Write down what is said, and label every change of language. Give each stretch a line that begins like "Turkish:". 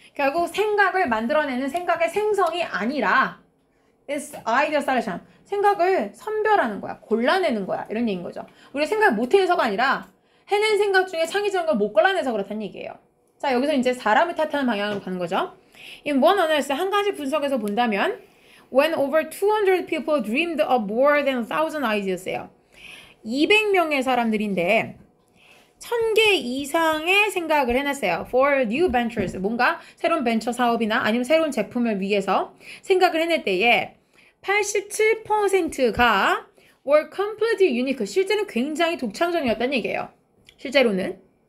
Korean: 결국 생각을 만들어내는 생각의 생성이 아니라
English: it's idea selection.
Korean: 생각을 선별하는 거야. 골라내는 거야. 이런 얘기인 거죠. 우리가 생각 못해서가 아니라 해낸 생각 중에 창의적인 걸못 골라내서 그렇다는 얘기예요. 자, 여기서 이제 사람을 탓하는 방향으로 가는 거죠.
English: In one analysis,
Korean: 한 가지 분석에서 본다면
English: when over 200 people dreamed of more than 1000 ideas예요.
Korean: 200명의 사람들인데 1,000개 이상의 생각을 해놨어요.
English: For new ventures,
Korean: 뭔가 새로운 벤처 사업이나 아니면 새로운 제품을 위해서 생각을 해낼 때에 87%가
English: were completely unique.
Korean: 실제는 굉장히 독창적이었다는 얘기예요. 실제로는.